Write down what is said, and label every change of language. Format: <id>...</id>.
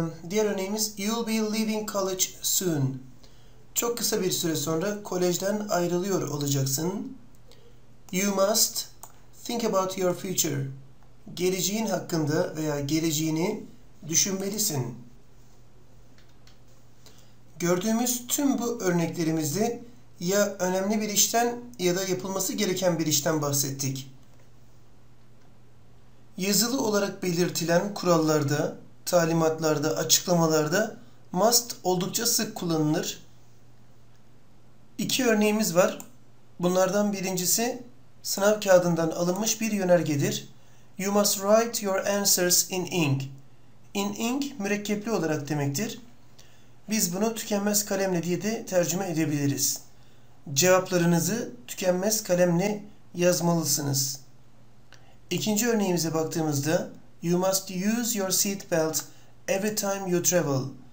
<tr>Diğer örneğimiz,</tr> <en>you'll be leaving college soon.</en> <tr>Çok kısa bir süre sonra kolejden ayrılıyor olacaksın.</tr> <en>You must think about your future.</en> <tr>Geleceğin hakkında veya geleceğini düşünmelisin. Gördüğümüz tüm bu örneklerimizde ya önemli bir işten ya da yapılması gereken bir işten bahsettik. Yazılı olarak belirtilen kurallarda, talimatlarda, açıklamalarda must oldukça sık kullanılır. İki örneğimiz var. Bunlardan birincisi sınav kağıdından alınmış bir yönergedir.</tr> <en>You must write your answers in ink. In ink,</en> <tr>mürekkepli olarak demektir. Biz bunu tükenmez kalemle diye de tercüme edebiliriz. Cevaplarınızı tükenmez kalemle yazmalısınız. İkinci örneğimize baktığımızda,</tr> <en>you must use your seat belt every time you travel.</en>